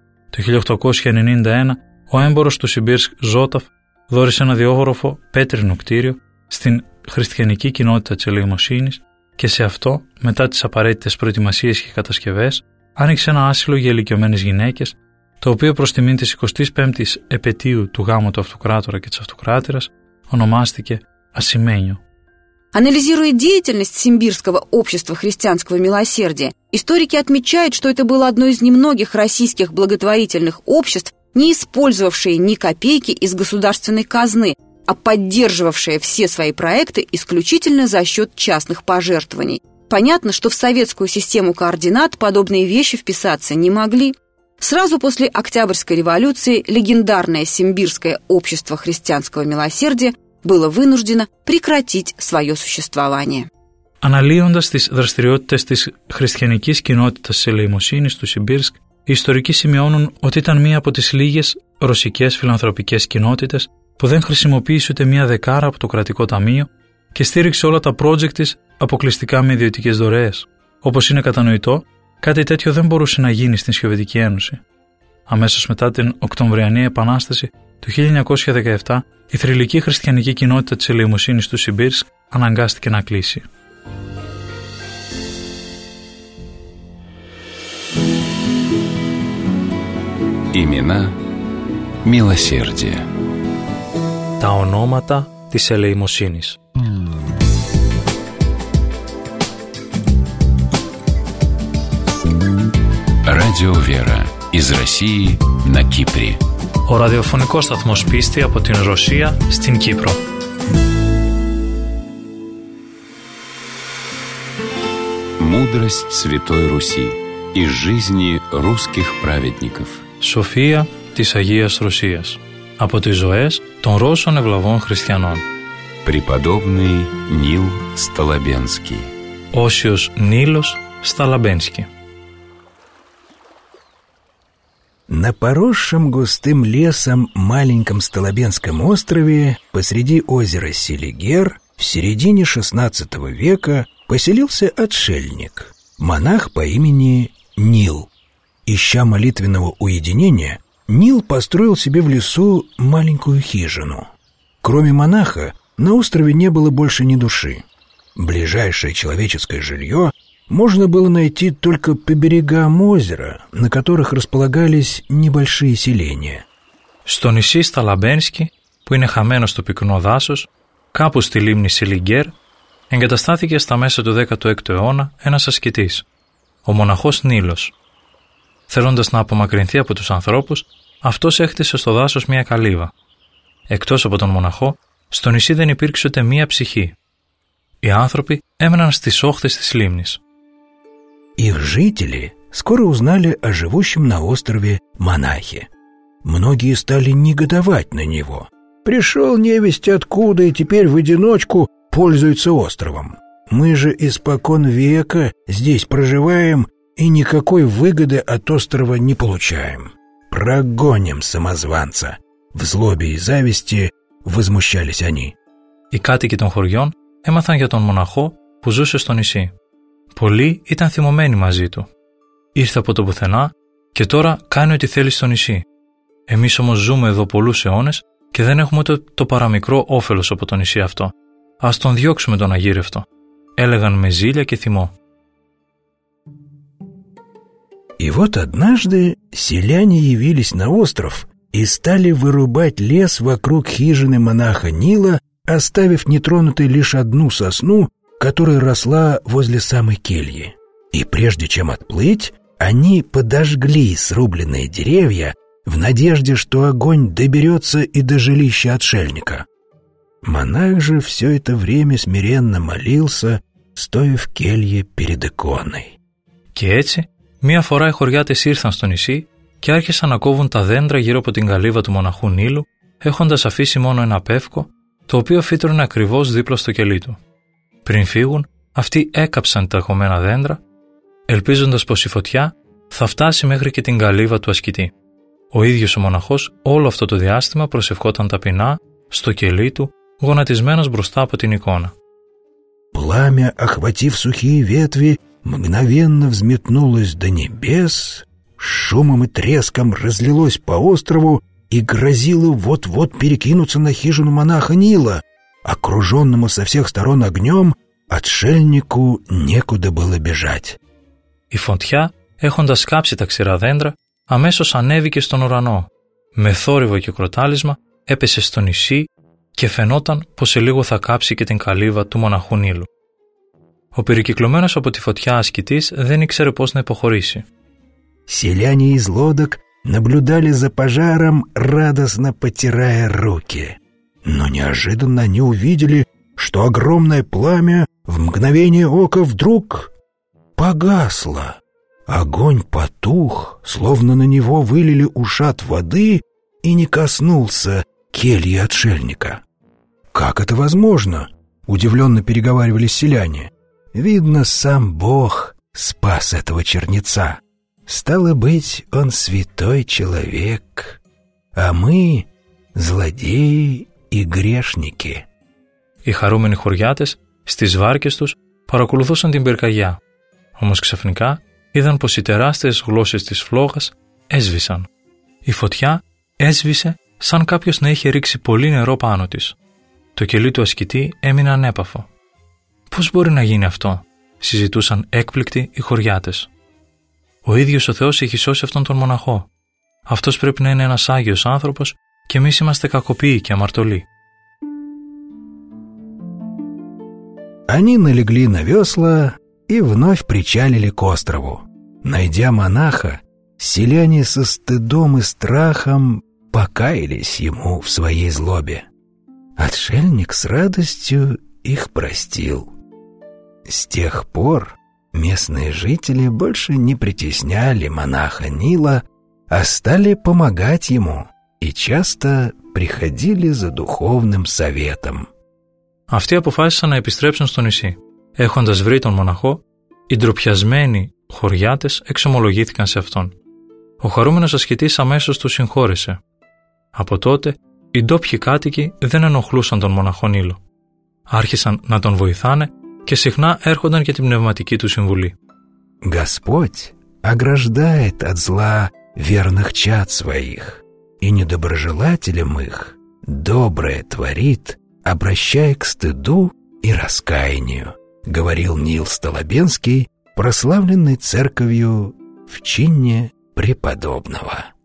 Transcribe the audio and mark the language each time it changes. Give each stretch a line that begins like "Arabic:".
Greek: Το 1891, ο έμπορος του Σιμπίρσκ Ζόταφ δόρισε ένα διόγροφο πέτρινο κτίριο στην χριστιανική κοινότητα της ελεημοσύνης και σε αυτό, μετά τις απαραίτητες προετοιμασίες και κατασκευές, άνοιξε ένα άσυλο για ηλικιωμένες γυναίκες, το οποίο προς τιμήν της 25ης επετείου του γάμου του αυτοκράτορα και της αυτοκράτηρας ονομάστηκε Ασημένιο.
Russian: Анализируя деятельность Симбирского общества христианского милосердия, историки отмечают, что это было одно из немногих российских благотворительных обществ, не использовавшее ни копейки из государственной казны, а поддерживавшее все свои проекты исключительно за счет частных пожертвований. Понятно, что в советскую систему координат подобные вещи вписаться не могли. Сразу после Октябрьской революции легендарное Симбирское общество христианского милосердия было вынуждено прекратить свое существование.
Greek: Αναλύοντας τις δραστηριότητες της χριστιανικής κοινότητας ελεημοσύνης του Σιμπίρσκ, οι ιστορικοί σημειώνουν ότι ήταν μία από τις λίγες ρωσικές φιλανθρωπικές κοινότητες που δεν χρησιμοποίησε ούτε μία δεκάρα από το κρατικό ταμείο και στήριξε όλα τα project της αποκλειστικά με ιδιωτικές δωρεές. Όπως είναι κατανοητό, κάτι τέτοιο δεν μπορούσε να γίνει στην Σοβιετική Ένωση. Αμέσως μετά την Οκτωβριανή Επανάσταση του 1917, η θρηλυκή χριστιανική κοινότητα της ελεημοσύνης του Σιμπίρσκ αναγκάστηκε να κλείσει.
Russian: Имена милосердия.
Greek: Τα ονόματα της ελεημοσύνης.
Russian: Радио Вера из России на Кипре.
Greek: Ο ραδιοφωνικός σταθμός πίστη από την Ρωσία στην Κύπρο.
Russian: Мудрость Святой Руси из жизни русских праведников.
Greek: Σοφία της Αγίας Ρωσίας από τις ζωές των Ρώσων ευλαβών χριστιανών.
Russian: Преподобный Нил Сталабенский.
Greek: Όσιος Νίλος Сталабенский.
Russian: На поросшем густым лесом маленьком Сталабенском острове посреди озера Селигер в середине XVI века поселился отшельник, монах по имени Нил. Ища молитвенного уединения, Нил построил себе в лесу маленькую хижину. Кроме монаха, на острове не было больше ни души. Ближайшее человеческое жилье можно было найти только по берегам озера, на которых располагались небольшие селения.
Greek: Στο νησί Сталабенский, που είναι χαμένο στο πυκνό δάσος, κάπου στη λίμνη Σιλιγκέρ, εγκαταστάθηκε στα μέσα του 16ου αιώνα ένας ασκητής, ο μοναχός Νίλος. Θέλοντας να απομακρυνθεί από τους ανθρώπους, αυτός έκτισε στο δάσος μία καλύβα. Εκτός από τον μοναχό, στο νησί δεν υπήρξε ούτε μία ψυχή. Οι άνθρωποι έμεναν στις όχθες της λίμνης.
Russian: Их жители скоро узнали о живущем на острове монахе. Многие стали негодовать на него. Пришел невесть откуда и теперь в одиночку пользуется островом. Мы же испокон века здесь проживаем и никакой выгоды от острова не получаем. Прогоним самозванца. В злобе и зависти возмущались они.
Greek: И кадыки των хоριών έμαθαν για τον μοναχό που ζούσε στο νησί. Πολλοί ήταν θυμωμένοι μαζί του. Ήρθε από το πουθενά και τώρα κάνει ό,τι θέλει στο νησί. Εμείς όμως ζούμε εδώ πολλούς αιώνες και δεν έχουμε ούτε το παραμικρό όφελος από το νησί αυτό. Ας τον διώξουμε τον αγύρευτο, έλεγαν με ζήλια και θυμό.
Russian: И вот однажды селяне явились на остров и стали вырубать лес вокруг хижины монаха Нила, оставив нетронутой лишь одну сосну, которая росла возле самой кельи. И прежде чем отплыть, они подожгли срубленные деревья в надежде, что огонь доберется и до жилища отшельника. Монах же все это время смиренно молился, стоя в келье перед иконой.
Greek: Και έτσι, μία φορά οι χωριάτες ήρθαν στο νησί και άρχισαν να κόβουν τα δέντρα γύρω από την καλύβα του μοναχού Νίλου, έχοντας αφήσει μόνο ένα πεύκο, το οποίο φύτρωνε ακριβώς δίπλα στο κελί του. Πριν φύγουν, αυτοί έκαψαν τα χωμένα δέντρα, ελπίζοντας πως η φωτιά θα φτάσει μέχρι και την καλύβα του ασκητή. Ο ίδιος ο μοναχός όλο αυτό το διάστημα προσευχόταν ταπεινά στο κελί του, γονατισμένος μπροστά από την εικόνα.
Russian: Пламя, охватив сухие ветви, мгновенно взметнулось до небес, шумом и треском разлилось по острову и грозило вот-вот перекинуться на хижину монаха Нила. Окруженному со всех сторон огнем, отшельнику некуда было бежать.
Greek: И фонтья, έχοντας κάψει τα ξηρά δέντρα, αμέσως ανέβηκε στον ουρανό. Με θόρυβο και κροτάλισμα έπεσε στο νησί και φαινόταν πως σε λίγο θα κάψει και την καλύβα του μοναχού Νίλου. Ο περικυκλωμένος από τη φωτιά ασκητής δεν ήξερε πώς να υποχωρήσει.
Russian: Селяне из лодок наблюдали за пожаром, радостно потирая руки. Но неожиданно они увидели, что огромное пламя в мгновение ока вдруг погасло. Огонь потух, словно на него вылили ушат воды и не коснулся кельи отшельника. «Как это возможно?» — удивленно переговаривались селяне. Видно, сам Бог спас этого чернеца. Стало быть, он святой человек, а мы — злодеи и грешники».
Greek: Οι χαρούμενοι χωριάτες στις βάρκες τους παρακολουθούσαν την πυρκαγιά. Όμως ξαφνικά είδαν πως οι τεράστιες γλώσσες της φλόγας έσβησαν. Η φωτιά έσβησε σαν κάποιος να είχε ρίξει πολύ νερό πάνω της. Το κελί του ασκητή έμεινε ανέπαφο. «Πώς μπορεί να γίνει αυτό?» συζητούσαν έκπληκτοι οι χωριάτες. «Ο ίδιος ο Θεός έχει σώσει αυτόν τον μοναχό. Αυτός πρέπει να είναι ένας άγιος άνθρωπος και εμείς είμαστε κακοποιοί και αμαρτωλοί».
Russian: Они налегли на весла и вновь причалили к острову. Найдя монаха, селяне со стыдом и страхом покаялись ему в своей злобе. Отшельник с радостью их простил. С тех пор местные жители больше не притесняли монаха Нила, а стали помогать ему и часто приходили за духовным советом.
Greek: Αυτοί αποφάσισαν να επιστρέψουν στο νησί. Έχοντας βρει τον μοναχό, οι ντροπιασμένοι χωριάτες εξομολογήθηκαν σε αυτόν. Ο χαρούμενος ασκητής αμέσως τους συγχώρεσε. Από τότε, οι ντόπιοι κάτοικοι δεν ενοχλούσαν τον μοναχό Νίλο. Άρχισαν να τον βοηθάνε και συχνά έρχονταν και την πνευματική του συμβουλή.
Russian: «Господь ограждает от зла верных чад своих, и недоброжелателям их доброе творит, обращая к стыду и раскаянию», говорил Нил Столобенский, прославленный церковью в чине преподобного.